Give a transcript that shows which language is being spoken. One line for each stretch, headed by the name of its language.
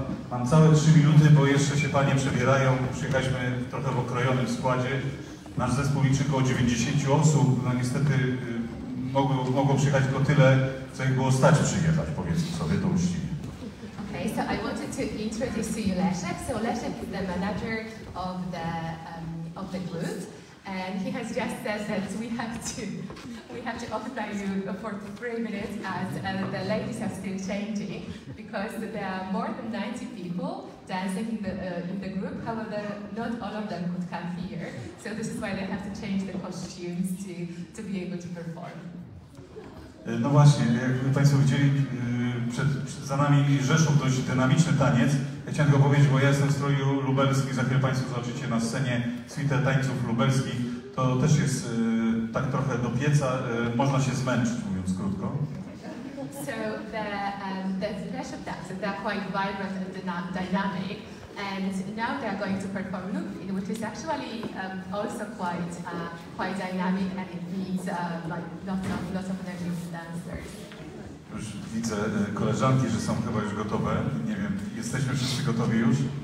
Polish: mam całe 3 minuty, bo jeszcze się panie przebierają. Przyjechaliśmy w trochę w okrojonym składzie. Nasz zespół liczy około 90 osób. No niestety mogło przyjechać tylko tyle, co ich było stać przyjechać, powiedzmy sobie to uczciwie.
English: Okay, so I wanted to introduce to you Leszek. So Leszek is the manager of the group. And he has just said that we have to occupy you for 3 minutes as the ladies have still changing because there are more than 90 people dancing in the group. However, not all of them could come here, so this is why they have to change the costumes to be able to perform.
Polish: No właśnie, jak Państwo widzieli, za nami rzeszą dość dynamiczny taniec. Ja chciałem tylko powiedzieć, bo ja jestem w stroju lubelskim, za chwilę Państwo zobaczycie na scenie suite tańców lubelskich. To też jest tak trochę do pieca, można się zmęczyć, mówiąc krótko.
English: So the flash of that, so they're quite vibrant and dynamic. And now they're going to perform Lublin, which is actually also quite dynamic, and it needs lots of energy from dancers.
Polish: Już widzę koleżanki, że są chyba już gotowe. Nie wiem, jesteśmy wszyscy gotowi już?